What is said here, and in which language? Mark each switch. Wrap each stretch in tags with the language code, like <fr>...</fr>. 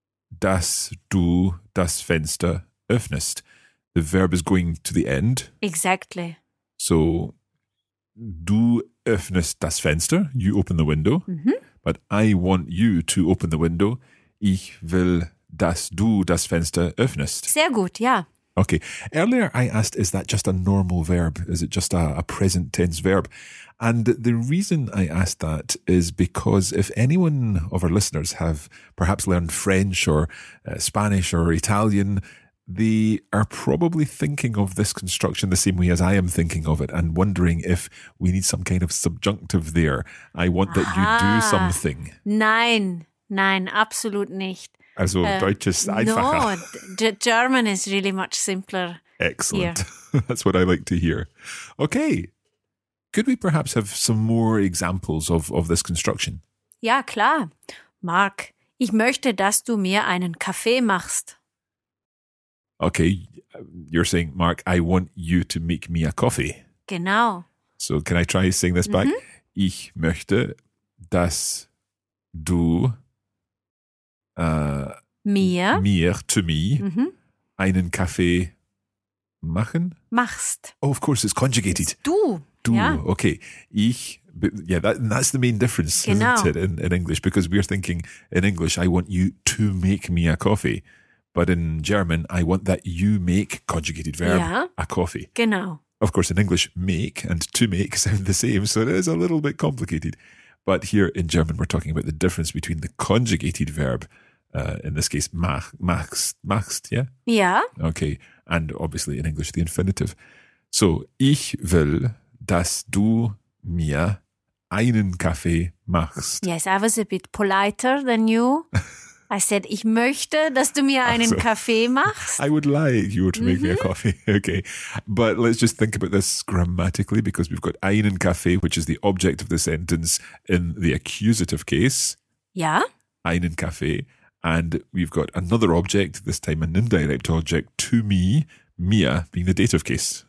<de>Dass du das Fenster öffnest.</de> <en>The verb is going to the end. Exactly.</en> <de>So, du öffnest das Fenster,</de> <en>you open the window,</en> <de>mm-hmm.</de> <en>but I want you to open the window.</en> <de>Ich will, dass du das Fenster öffnest. Sehr gut, ja.</de> <en>Okay. Earlier I asked, is that just a normal verb? Is it just a present tense verb? And the reason I asked that is because if anyone of our listeners have perhaps learned French or Spanish or Italian, they are probably thinking of this construction the same way as I am thinking of it and wondering if we need some kind of subjunctive there. I want that you do something.</en> <de>Nein. Nein, absolut nicht. Also Deutsch ist einfacher.</de> <en>No, German is really much simpler. Excellent. That's what I like to hear. Okay. Could we perhaps have some more examples of this construction?</en> <de>Ja, klar. Mark, ich möchte, dass du mir einen Kaffee machst.</de> <en>Okay. You're saying, Mark, I want you to make me a coffee.</en> <de>Genau.</de> <en>So can I try saying this mm-hmm. back?</en> <de>Ich möchte, dass du... Mir, mm-hmm. einen Kaffee machen? Machst.</de> <en>Oh, of course, it's conjugated. It's du. Du, yeah. Okay. Ich, yeah, that's the main difference, genau. Isn't it, in English? Because we're thinking in English, I want you to make me a coffee. But in German, I want that you make, conjugated verb, yeah. a coffee.</en> <de>Genau.</de> <en>Of course, in English, make and to make sound the same, so it is a little bit complicated. But here in German, we're talking about the difference between the conjugated verb, in this case, machst, yeah? Yeah. Okay. And obviously in English, the infinitive.</en> <de>So, ich will, dass du mir einen Kaffee machst.</de> <en>Yes, I was a bit politer than you. I said,</en> <de>ich möchte, dass du mir einen Kaffee machst.</de> <en>I would like you to make mm-hmm. me a coffee. Okay. But let's just think about this grammatically, because we've got einen Kaffee, which is the object of the sentence in the accusative case. Yeah.</en> <de>Einen Kaffee.</de> <en>And we've got another object, this time an indirect object, to me, mir, being the dative case.</en>